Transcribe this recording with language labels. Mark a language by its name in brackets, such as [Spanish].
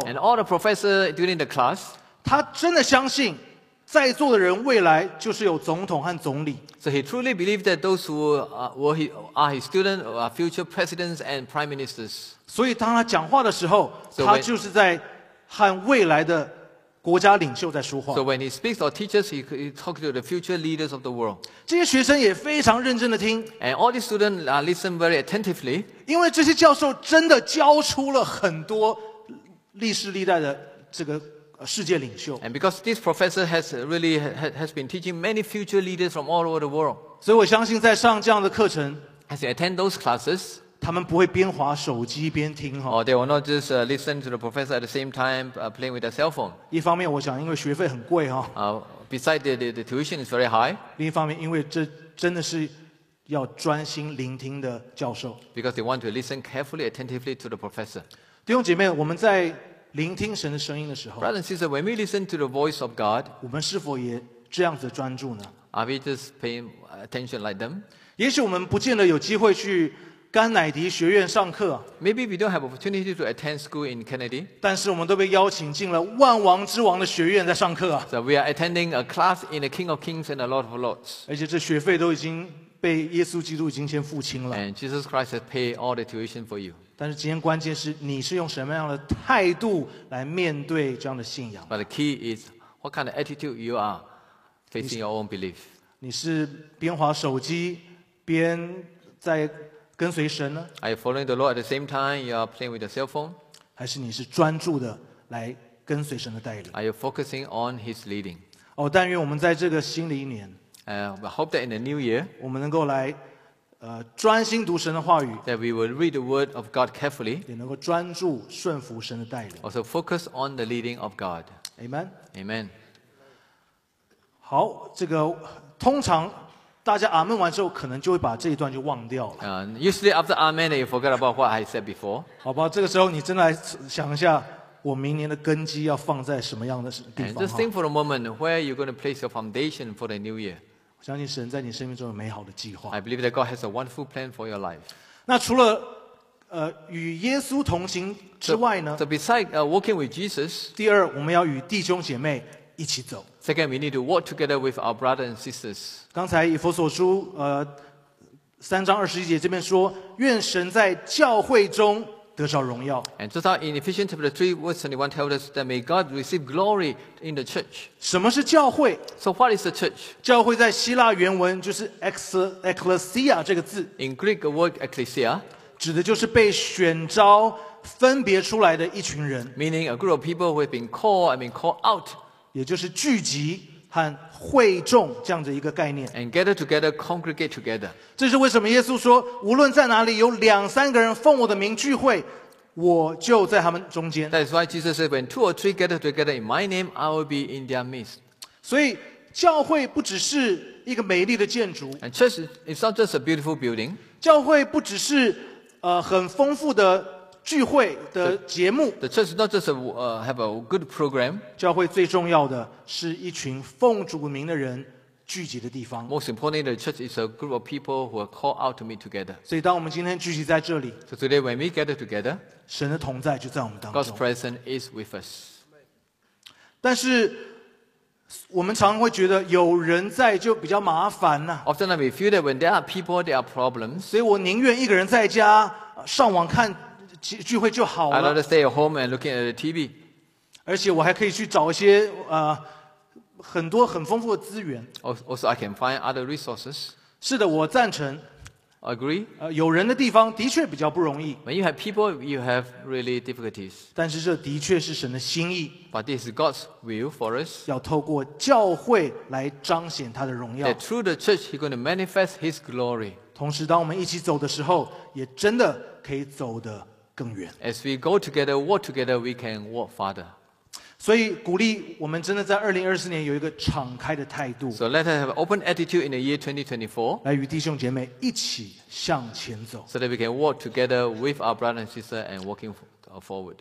[English] And all the professors during the class. [Chinese] 他真的相信。在座的人未来就是有总统和总理。 [English] So he truly believed that those who are his students are future presidents and prime ministers. [Chinese] 所以当他讲话的时候，他就是在和未来的国家领袖在说话。 [English] So when he speaks or teaches, he talks to the future leaders of the world. [Chinese] 这些学生也非常认真的听。 [English] And all these students listen very attentively. [Chinese] 因为这些教授真的教出了很多历史历代的这个。世界领袖 [English] And because this professor has really has been teaching many future leaders from all over the world. [Chinese] 所以我相信在上这样的课程 [English] As you attend those classes, [Chinese] 他们不会边滑手机边听。 [English] Or they will not just listen to the professor at the same time playing with their cell phone. [Chinese] 一方面我想因为学费很贵。 [English] Besides the tuition is very high. [Chinese] 另一方面因为这真的是要专心聆听的教授。 [English] Because they want to listen carefully, attentively to the professor. [Chinese] 弟兄姐妹我们在聆听神的声音的时候 [English] Brothers and sisters, when we listen to the voice of God, [Chinese] 我们是否也这样子专注呢 [English] Are we just paying attention like them? [Chinese] 也许我们不见得有机会去甘乃迪学院上课。 [English] Maybe we don't have opportunity to attend school in Kennedy. [Chinese] 但是我们都被邀请进了万王之王的学院在上课。 [English] So we are attending a class in the King of Kings and the Lord of Lords. [Chinese] 而且这学费都已经被耶稣基督已经先付清了。 [English] And Jesus Christ has paid all the tuition for you. [Chinese] 但是今天关键是你是用什么样的态度来面对这样的信仰。 [English] But the key is what kind of attitude you are facing your own belief. [Chinese] 你是边滑手机边在跟随神呢？ [English] Are you following the Lord at the same time you are playing with the cell phone? [Chinese] 还是你是专注的来跟随神的带领？ [English] Are you focusing on His leading? [Chinese] 哦，但愿我们在这个新的一年， [English] I hope that in the new year, [Chinese] 我们能够来专心读神的话语， [English] that we will read the word of God carefully, [Chinese] 也能够专注顺服神的带领， [English] also focus on the leading of God. Amen. Amen. [Chinese] 好，这个通常大家阿们完之后可能就会把这一段就忘掉了。 [English] Usually after Amen, you forgot about what I said before. [Chinese] 好吧，这个时候你真的来想一下我明年的根基要放在什么样的地方。 [English] Just think for a moment where you're going to place your foundation for the new year. [Chinese] 我相信神在你生命中有美好的计划。 [English] I believe that God has a wonderful plan for your life. [Chinese] 那除了与耶稣同行之外呢？ [English] So besides walking with Jesus, [Chinese] 第二，我们要与弟兄姐妹一起走。 [English] Second, we need to walk together with our brothers and sisters. [Chinese] 刚才以弗所书三章二十一节这边说，愿神在教会中得着荣耀。 [English] And just how in Ephesians chapter 3 verse 21 tells us that may God receive glory in the church. [Chinese] 什么是教会？ [English] So what is the church? [Chinese] 教会在希腊原文就是 ecclesia 这个字。 [English] In Greek, the word ecclesia [Chinese] 指的就是被选召分别出来的一群人。 [English] Meaning a group of people who have been called and been called out. [Chinese] 也就是聚集和会众这样的一个概念。 [English] And gather together, congregate together. [Chinese] 这是为什么耶稣说，无论在哪里有两三个人奉我的名聚会，我就在他们中间。 [English] That's why Jesus said, when two or three gather together in my name, I will be in their midst. [Chinese] 所以教会不只是一个美丽的建筑。 [English] And church is not just a beautiful building. [Chinese] 教会不只是很丰富的聚会的节目。 [English] The church is not just have a good program. [Chinese] 教会最重要的是一群奉主名的人聚集的地方。 [English] Most importantly, the church is a group of people who are called out to meet together. [Chinese] 所以当我们今天聚集在这里， [English] So today when we gather together, [Chinese] 神的同在就在我们当中。 [English] God's presence is with us. [Chinese] 但是我们常会觉得有人在就比较麻烦啊。 [English] Often we feel that when there are people, there are problems. [Chinese] 所以我宁愿一个人在家上网看聚会就好了。 [English] I'd rather stay at home and looking at the TV. [Chinese] 而且我还可以去找一些很多很丰富的资源。 [English] Also, I can find other resources. [Chinese] 是的，我赞成。 [English] Agree. [Chinese] 有人的地方的确比较不容易。 [English] When you have people, you have really difficulties. [Chinese] 但是这的确是神的心意。 [English] But this is God's will for us. [Chinese] 要透过教会来彰显他的荣耀。 [English] That through the church, He's going to manifest His glory. [Chinese] 同时，当我们一起走的时候，也真的可以走的。更远。 [English] As we go together, walk together, we can walk farther. [Chinese] 所以鼓励我们真的在2024年有一个敞开的态度。 [English] So let us have an open attitude in the year 2024. [Chinese] 来与弟兄姐妹一起向前走。 [English] So that we can walk together with our brother and sister and walking forward.